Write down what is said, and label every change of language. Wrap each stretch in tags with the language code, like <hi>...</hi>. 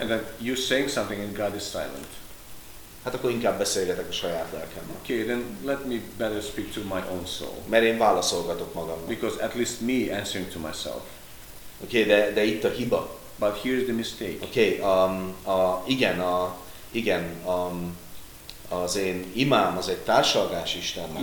<en>And then you're saying something and God is silent.</en> <hu>Hát akkor inkább beszélgetek a saját lelkemmel.</hu> <en>Okay, then let me better speak to my own soul.</en> <hu>Mert én válaszolgatok magamnak.</hu> <en>Because at least me answering to myself.</en> <hu>Okay, de itt a hiba.</hu> <en>But here's the mistake.</en> <hu>Okay, az én imám az egy társalgás Istennek.</hu>